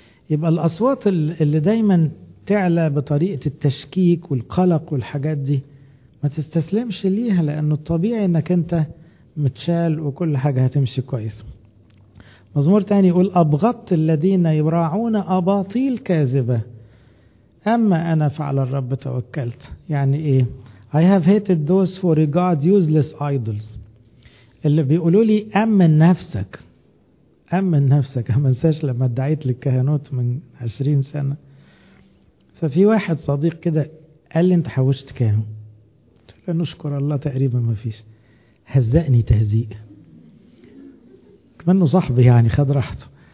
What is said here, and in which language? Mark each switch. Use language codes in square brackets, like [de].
[ar] يبقى الاصوات اللي دايما تعلى بطريقة التشكيك والقلق والحاجات دي ما تستسلمش ليها، لانه الطبيعي انك انت متشال وكل حاجة هتمشي كويس. مزمور تاني يقول أبغضت الذين يراعون أباطيل كاذبة أما أنا فعلى الرب توكلت. يعني إيه؟ [en] I have hated those who regard useless idols. [ar] اللي بيقولوا لي أمن نفسك، أمن نفسك. ما انساش لما ادعيت للكهنوت من 20 سنة، ففي واحد صديق كده قال لي انت حوشت كام؟ قلت له نشكر الله تقريبا ما فيش. هزقني تهزيق كمانه صاحبي يعني، خد راحته.